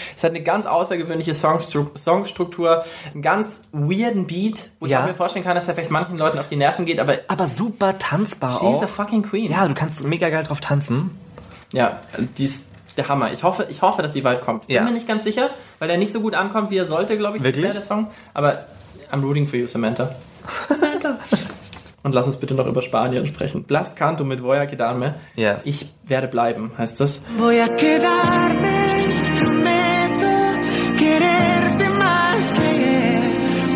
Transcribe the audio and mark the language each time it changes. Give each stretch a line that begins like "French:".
German: Es hat eine ganz außergewöhnliche Songstruktur, einen ganz weirden Beat, wo ich mir vorstellen kann, dass er vielleicht manchen Leuten auf die Nerven geht, aber super tanzbar auch.
English: She's a fucking Queen.
German: Ja, du kannst mega geil drauf tanzen. Ja, die ist der Hammer. Ich hoffe, dass sie bald kommt. Ich bin mir nicht ganz sicher, weil der nicht so gut ankommt, wie er sollte, glaube ich. Wirklich? Der Song. Aber
English: I'm rooting for you, Samantha. Samantha.
German: Und lass uns bitte noch über Spanien sprechen. Blas Canto mit Voy a quedarme.
English: Yes.
German: Ich werde bleiben, heißt das.
Spanish: Voy a quedarme, prometo quererte más que